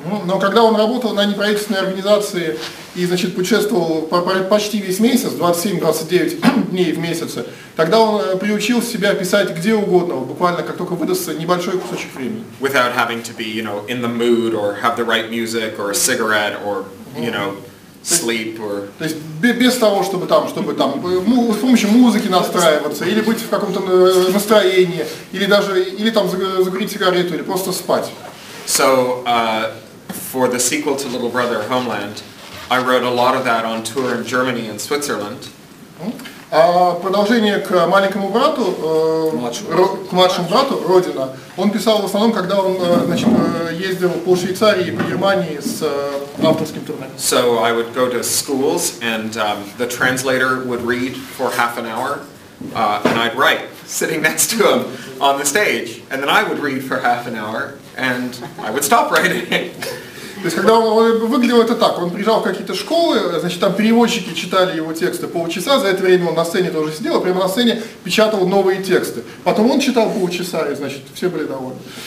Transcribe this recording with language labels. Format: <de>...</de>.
<ru>Но когда он работал на неправительственной организации и, значит, путешествовал почти весь месяц, 27-29 дней в месяце, тогда он приучил себя писать где угодно, буквально как только выдастся небольшой кусочек времени.</ru> <en>Without having to be, you know, in the mood or have the right music or a cigarette or, you know, sleep or...</en> <ru>То есть без того, чтобы там с помощью музыки настраиваться или быть в каком-то настроении или даже или там закурить сигарету или просто спать.</ru> <en>So, for the sequel to Little Brother Homeland, I wrote a lot of that on tour in Germany and Switzerland.</en> <ru>А продолжение к маленькому брату, к младшему брату, Родина, он писал в основном, когда он, значит, ездил по Швейцарии и по Германии с авторским турне.</ru> <en>So I would go to schools, and the translator would read for half an hour, and I'd write, sitting next to him on the stage. And then I would read for half an hour, and I would stop writing.</en> <ru>То есть, когда он выглядел это так, он приезжал в какие-то школы, значит, там переводчики читали его тексты полчаса, за это время он на сцене тоже сидел, прямо на сцене печатал новые тексты. Потом он читал полчаса, и, значит, все были довольны.</ru>